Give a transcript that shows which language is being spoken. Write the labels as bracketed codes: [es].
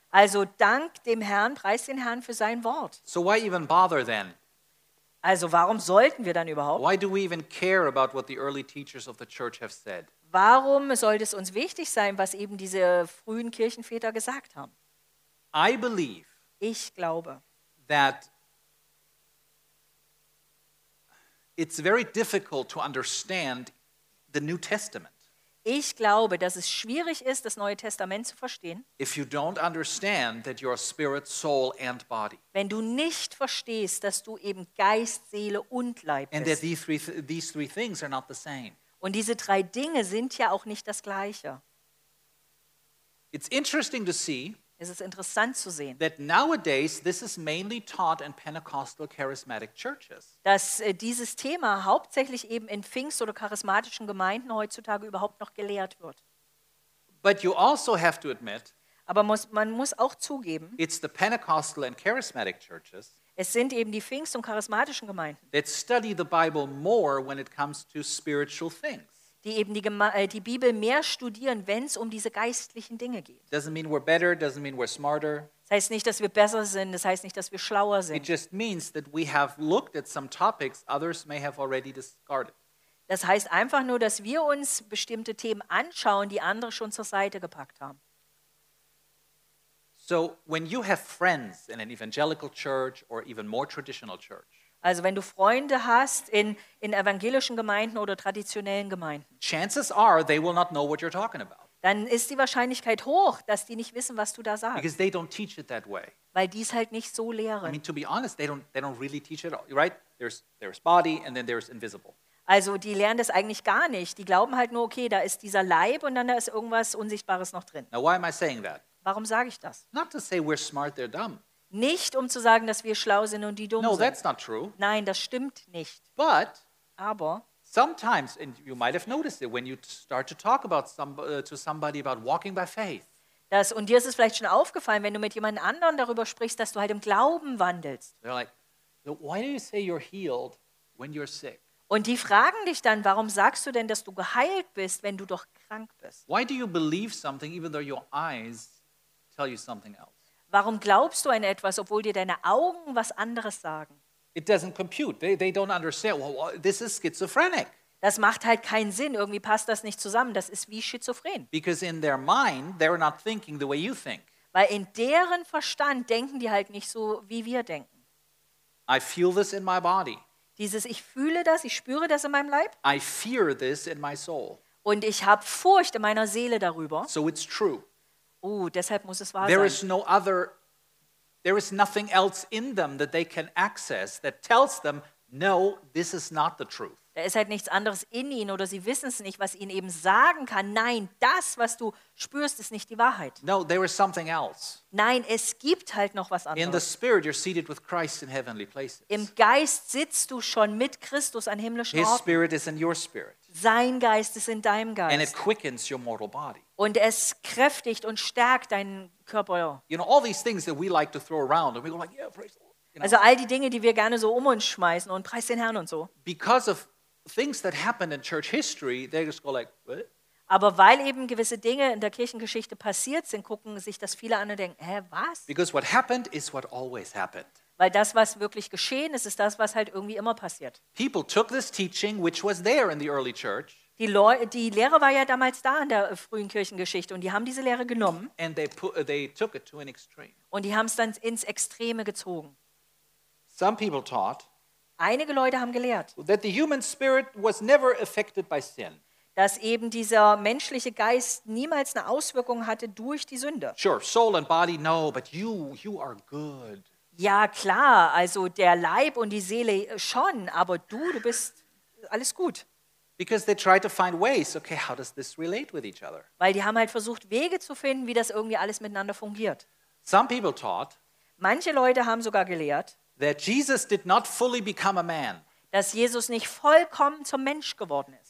[de] Also dank dem Herrn, preis den Herrn für sein Wort. [en] So why even bother then? [de] Also warum sollten wir dann überhaupt? [en] Why do we even care about what the early teachers of the church have said? [de] Warum sollte es uns wichtig sein, was eben diese frühen Kirchenväter gesagt haben? [en] I believe. [de] Ich glaube, [en] that it's very difficult to understand the New Testament. [de] Ich glaube, dass es schwierig ist, das Neue Testament zu verstehen. [en] If you don't understand that you're spirit, soul and body. [de] Wenn du nicht verstehst, dass du eben Geist, Seele und Leib bist. [en] And that these three things are not the same. [de] Und diese drei Dinge sind ja auch nicht das Gleiche. [en] It's interesting to see. [de] Es ist interessant zu sehen, [en] that nowadays this is mainly taught in Pentecostal charismatic churches. [de] Dass dieses Thema hauptsächlich eben in Pfingst- oder charismatischen Gemeinden heutzutage überhaupt noch gelehrt wird. [en] But you also have to admit, [de] aber man muss auch zugeben, [en] it's the Pentecostal and charismatic churches. [de] Es sind eben die Pfingst- und charismatischen Gemeinden. [en] That study the Bible more when it comes to spiritual things. [de] Die eben die Bibel mehr studieren, wenn es um diese geistlichen Dinge geht. [en] Doesn't mean we're better, doesn't mean we're smarter. [de] Das heißt nicht, dass wir besser sind, das heißt nicht, dass wir schlauer sind. [en] It just means that we have looked at some topics others may have already discarded. [de] Das heißt einfach nur, dass wir uns bestimmte Themen anschauen, die andere schon zur Seite gepackt haben. [en] So when you have friends in an evangelical church or even more traditional church. [de] Also wenn du Freunde hast in evangelischen Gemeinden oder traditionellen Gemeinden. [en] Chances are they will not know what you're talking about. [de] Dann ist die Wahrscheinlichkeit hoch, dass die nicht wissen, was du da sagst. [en] Because they don't teach it that way. [de] Weil die es halt nicht so lehren. [en] I mean, to be honest, they don't really teach it, right? There's body and then there's invisible. [de] Also die lernen das eigentlich gar nicht. Die glauben halt nur, okay, da ist dieser Leib und dann da ist irgendwas Unsichtbares noch drin. [en] Now why am I saying that? [de] Warum sage ich das? [en] Not to say we're smart, they're dumb. [de] Nicht um zu sagen, dass wir schlau sind und die dumm [en] no, [de] sind. [en] That's not true. [de] Nein, das stimmt nicht. [en] But [de] aber [en] sometimes, and you might have noticed it when you start to talk about to somebody about walking by faith. [de] Das und dir ist es vielleicht schon aufgefallen, wenn du mit jemand anderem darüber sprichst, dass du halt im Glauben wandelst. [en] They're like, why do you say you're healed when you're sick? [de] Und die fragen dich dann, warum sagst du denn, dass du geheilt bist, wenn du doch krank bist? [en] Why do you believe something even though your eyes tell you something else? [de] Warum glaubst du an etwas, obwohl dir deine Augen was anderes sagen? [en] It doesn't compute. They don't understand. Well, this is schizophrenic. [de] Das macht halt keinen Sinn. Irgendwie passt das nicht zusammen. Das ist wie schizophren. [en] Because in their mind, they're not thinking the way you think. [de] Weil in deren Verstand denken die halt nicht so, wie wir denken. [en] I feel this in my body. [de] Dieses, ich fühle das, ich spüre das in meinem Leib. [en] I fear this in my soul. [de] Und ich habe Furcht in meiner Seele darüber. [en] So it's true. [de] Oh, deshalb muss es wahr [en] there [de] sein. [en] Is no other, there is nothing else in them that they can access that tells them, no, this is not the truth. [de] Da ist halt nichts anderes in ihnen oder sie wissen es nicht, was ihnen eben sagen kann. Nein, das, was du spürst, ist nicht die Wahrheit. [en] No, there is something else. [de] Nein, es gibt halt noch was anderes. [en] In the spirit, you're seated with Christ in heavenly places. [de] Im Geist sitzt du schon mit Christus an himmlischen [en] His [de] Orten. [en] His spirit is in your spirit. [de] Sein Geist ist in deinem Geist. [en] And it quickens your mortal body. [de] Und es kräftigt und stärkt deinen Körper. [en] You know, all these things that we like to throw around and we go like, yeah, praise the Lord. You know? [de] Also all die Dinge, die wir gerne so um uns schmeißen und preis den Herrn und so. [en] Because of things that happened in church history, they just go like, what? [de] Aber weil eben gewisse Dinge in der Kirchengeschichte passiert sind, gucken sich das viele an und denken, hä, was? [en] Because what happened is what always happened. [de] Weil das, was wirklich geschehen ist, ist das, was halt irgendwie immer passiert. [en] People took this teaching, which was there in the early church. [de] Die Lehre war ja damals da in der frühen Kirchengeschichte und die haben diese Lehre genommen. [en] And they took it to an extreme. [de] Und die haben es dann ins Extreme gezogen. [en] Some people taught, [de] einige Leute haben gelehrt, [en] that the human spirit was never affected by sin. [de] dass eben dieser menschliche Geist niemals eine Auswirkung hatte durch die Sünde. [en] Sure, soul and body, no, but you are good. [de] Ja, klar, also der Leib und die Seele schon, aber du bist alles gut. [en] Because they try to find ways, okay, how does this relate with each other? [de] Weil die haben halt versucht, Wege zu finden, wie das irgendwie alles miteinander fungiert. [en] Some people taught, [de] manche Leute haben sogar gelehrt, [en] that Jesus did not fully become a man. [de] Dass Jesus nicht vollkommen zum Mensch geworden ist.